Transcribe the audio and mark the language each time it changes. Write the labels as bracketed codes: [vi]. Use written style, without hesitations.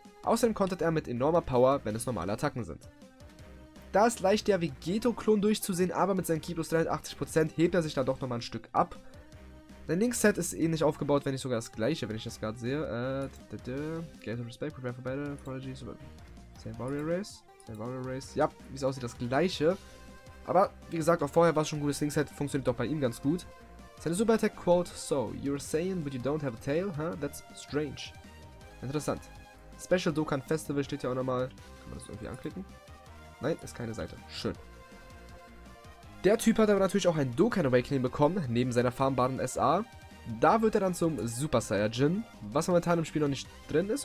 [de] Außerdem kontert er mit enormer Power, wenn es normale Attacken sind. Da ist leicht der Vegeto-Klon durchzusehen, aber mit seinem Key plus 83% hebt er sich da doch nochmal ein Stück ab. Sein Link-Set ist ähnlich aufgebaut, wenn nicht sogar das gleiche, wenn ich das gerade sehe. Gate of Respect, Prepare for Battle, Prodigy, Same Warrior Race. Ja, wie es aussieht, das gleiche. Aber, wie gesagt, auch vorher war es schon ein gutes Link-Set, funktioniert doch bei ihm ganz gut. Seine Super-Attack-Quote, [en] so, you're saying, but you don't have a tail, huh? That's strange. [de] Interessant. Special Dokkan Festival steht ja auch nochmal. Kann man das irgendwie anklicken? Nein, ist keine Seite. Schön. Der Typ hat aber natürlich auch ein Dokkan Awakening bekommen, neben seiner farmbaren SA. Da wird er dann zum Super Saiyajin, was momentan im Spiel noch nicht drin ist.